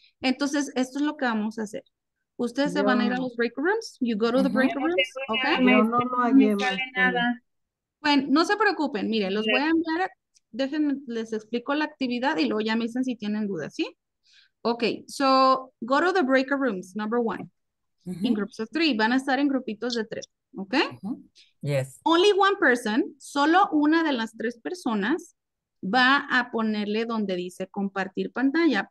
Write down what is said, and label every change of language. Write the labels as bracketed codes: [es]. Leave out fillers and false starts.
[es] Entonces, esto es lo que vamos a hacer. Ustedes se van a ir a los break rooms. [en] You go to the break rooms. [es] Okay. No, no, no, no, no, nada. Bueno, no se preocupen. Miren, los voy a enviar. Déjenme, les explico la actividad y luego ya me dicen si tienen dudas, ¿sí? [en] Ok, so, go to the breaker rooms, number one. In groups of three, [es] van a estar en grupitos de tres, ¿ok? [en] Yes. Only one person, [es] solo una de las tres personas, va a ponerle donde dice compartir pantalla.